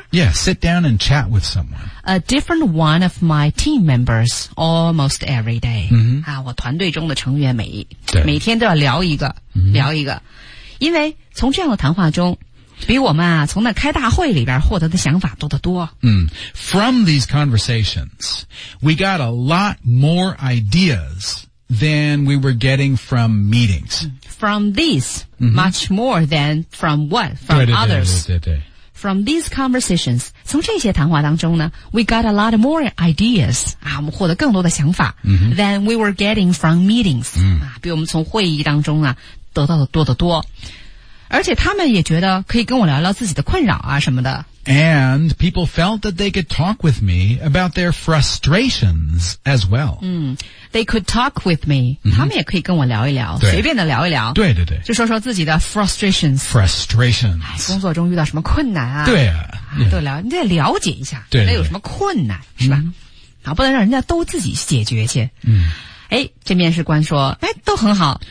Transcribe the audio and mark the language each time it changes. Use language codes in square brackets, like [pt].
[en] Yeah, sit down and chat with someone A different one of my team members almost every day.、 Mm-hmm. [zh] 啊、我团队中的成员每天都要聊一个、 mm-hmm. 聊一个。因为从这样的谈话中比我们、啊、从那开大会里边获得的想法多得多。 Mm. [en] From these conversations, we got a lot more ideas than we were getting from meetings. From these,、mm-hmm. much more than from what? From [zh] 对对对 [en] others. [zh] 对对对对对 [en] From these conversations, [zh] 从这些谈话当中呢 [en] we got a lot more ideas, [zh] 啊我们获得更多的想法、 mm-hmm. [en] than we were getting from meetings,、 mm. [zh] 啊比我们从会议当中啊得到的多得多。而且他们也觉得可以跟我聊聊自己的困扰啊什么的。 [en] And people felt that they could talk with me about their frustrations as well. 嗯 ,they could talk with me,、 mm-hmm. [zh] 他们也可以跟我聊一聊随便的聊一聊。对对对。就说说自己的 frustrations。 [en] frustrations、哎。 [zh] 工作中遇到什么困难啊对啊。都、yeah. 聊你得了解一下对对对那有什么困难是吧、 mm-hmm. 然后不能让人家都自己解决去。嗯。哎，这面试官说，哎，都很好。